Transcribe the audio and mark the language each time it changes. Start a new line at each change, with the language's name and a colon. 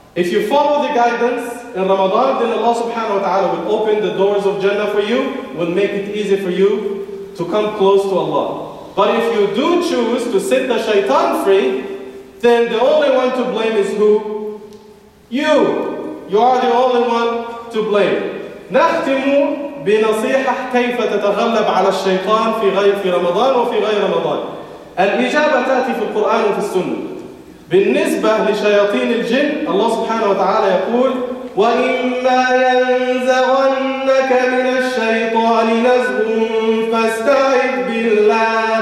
English: If you follow the guidance in Ramadan, then Allah subhanahu wa ta'ala will open the doors of Jannah for you, will make it easy for you to come close to Allah. But if you do choose to set the shaitan free, then the only one to blame is who? You. You are the only one to blame.
Arabic: نختم بنصيحة كيف تتغلب على الشيطان في غير في رمضان وفي غير رمضان. الإجابة تأتي في القرآن وفي السنة. بالنسبة لشياطين الجن، الله سبحانه وتعالى يقول: وَإِمَّا يَنْزَغَنَّكَ مِنَ الشَّيْطَانِ نَزْغٌ فَاسْتَعِذْ بِاللَّهِ